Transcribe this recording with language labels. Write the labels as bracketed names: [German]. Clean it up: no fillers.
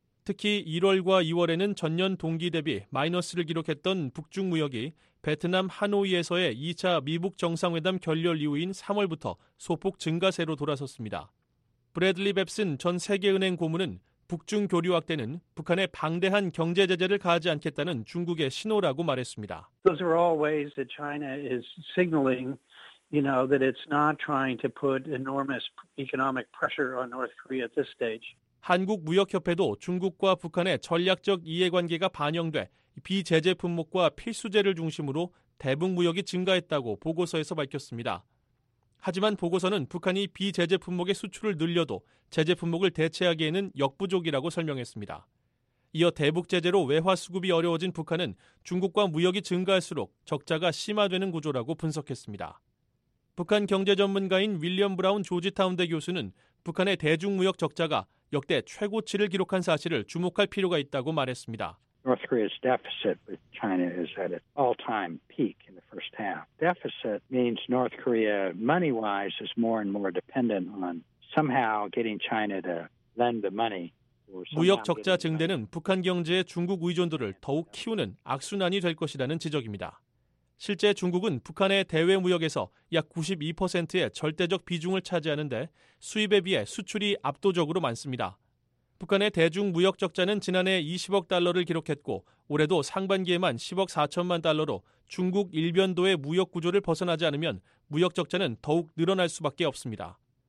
[Korean] 특히 1월과 2월에는 전년 동기 대비 마이너스를 기록했던 북중 무역이 베트남 하노이에서의 2차 미북 정상회담 결렬 이후인 3월부터 소폭 증가세로 돌아섰습니다. 브래들리 뱁슨 전 세계은행 고문은 북중 교류 확대는 북한에 방대한 경제 제재를 가하지 않겠다는 중국의 신호라고 말했습니다. [English] Those are all ways that China is signaling, you know, that it's not trying to put enormous economic pressure on North Korea at this stage. [Korean] 한국무역협회도 중국과 북한의 전략적 이해관계가 반영돼 비제재 품목과 필수재를 중심으로 대북 무역이 증가했다고 보고서에서 밝혔습니다. 하지만 보고서는 북한이 비제재 품목의 수출을 늘려도 제재 품목을 대체하기에는 역부족이라고 설명했습니다. 이어 대북 제재로 외화 수급이 어려워진 북한은 중국과 무역이 증가할수록 적자가 심화되는 구조라고 분석했습니다. 북한 경제 전문가인 윌리엄 브라운 조지타운대 교수는 북한의 대중 무역 적자가 역대 최고치를 기록한 사실을 주목할 필요가 있다고 말했습니다. [English] North Korea's deficit with China is at an all-time peak in the first half. Deficit means North Korea money-wise is more and more dependent on somehow getting China to lend the money. [Korean] 무역 적자 증대는 북한 경제의 중국 의존도를 더욱 키우는 악순환이 될 것이라는 지적입니다. 실제 중국은 북한의 대외 무역에서 약 92%의 절대적 비중을 차지하는데 수입에 비해 수출이 압도적으로 많습니다. 북한의 대중 무역 적자는 지난해 20억 달러를 기록했고 올해도 상반기에만 10억 4천만 달러로 중국 일변도의 무역 구조를 벗어나지 않으면 무역 적자는 더욱 늘어날 수밖에 없습니다.